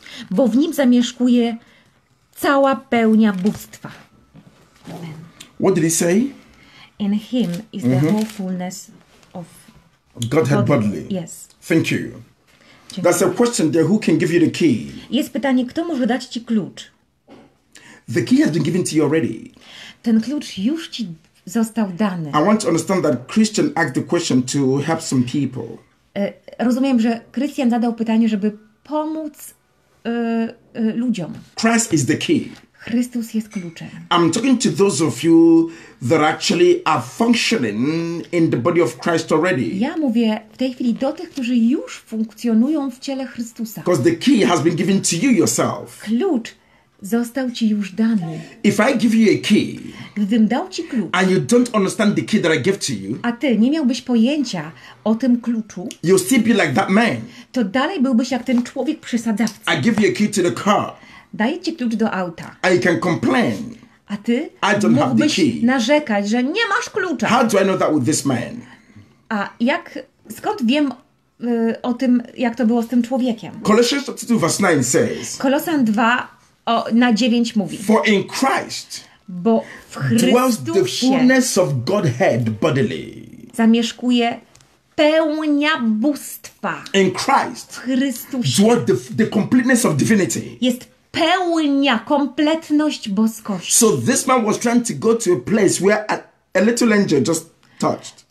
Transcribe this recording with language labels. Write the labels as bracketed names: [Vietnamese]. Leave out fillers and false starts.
[Polish] Bo w nim zamieszkuje cała pełnia bóstwa. [English] Amen. What did he say? In him is the whole fullness of Godhead bodily. Yes. Thank you. That's a question there, who can give you the key? [Polish] Jest pytanie, kto może dać ci klucz? [English] The key has been given to you already. [Polish] Ten klucz już ci został dany. [English] I want to understand that Christian asked the question to help some people. [Polish] Rozumiem, że Christian zadał pytanie, żeby pomóc ludziom. [English] Christ is the key. [Polish] Chrystus jest kluczem. [English] I'm talking to those of you that actually are functioning in the body of Christ already. [Polish] Ja mówię w tej chwili do tych, którzy już funkcjonują w ciele Chrystusa. [English] Because the key has been given to you yourself. [Polish] Klucz został ci już dany. [English] If I give you a key, [Polish] gdybym dał ci klucz, [English] and you don't understand the key that I give to you, [Polish] a ty nie miałbyś pojęcia o tym kluczu, [English] you'll still be like that man. [Polish] To dalej byłbyś jak ten człowiek przesadzawca. [English] I give you a key to the car. [Polish] Daję ci klucz do auta. [English] I can complain. [Polish] A ty [English] I don't [Polish] mógłbyś [English] have the key. [Polish] Narzekać, że nie masz klucza. [English] How do I know that with this man? [Polish] A jak, skąd wiem o tym, jak to było z tym człowiekiem? [English] Colossians 2 verse 9 says. [Polish] Kolosan 2:9 mówi. [English] For in Christ [Polish] bo w [English] dwells the fullness of Godhead bodily. [Polish] Zamieszkuje pełnia bóstwa. [English] In Christ [Polish] w Chrystusie [English] dwells the completeness of divinity. [Polish] Jest pełnia, kompletność boskości. [English] So this man was trying to go to a place where a little angel just touched.